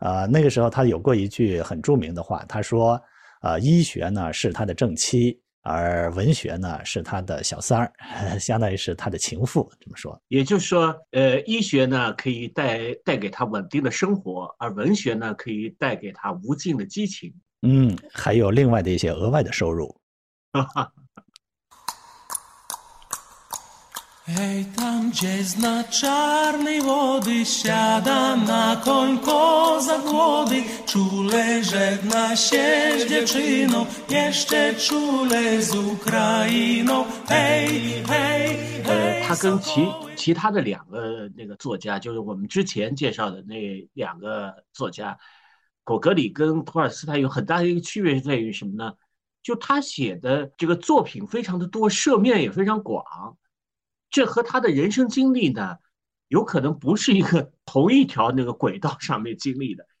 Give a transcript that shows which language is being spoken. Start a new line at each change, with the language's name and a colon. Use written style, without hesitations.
Chinese: 那个时候他有过一句很著名的话，他说：“医学呢是他的正妻，而文学呢是他的小三儿，相当于是他的情妇。” 这么说。也就是说，医学呢可以带给他稳定的生活，而文学呢可以带给他无尽的激情。还有另外的一些额外的收入。哈哈。
Polish: Ej tam gdzie zna czarny wody, siada na koń koza kłody, czule żegna się z dziewczyną, jeszcze czule z Ukrainą. Hej, hej, hej,
Chinese: 他跟
Polish: Sokoły.
Chinese: 其他的两个那个作家，就是我们之前介绍的那两个作家，果戈里跟托尔斯泰有很大的一个区别在于什么呢？就他写的这个作品非常的多，涉面也非常广，这和他的人生经历呢，有可能不是一个同一条那个轨道上面经历的。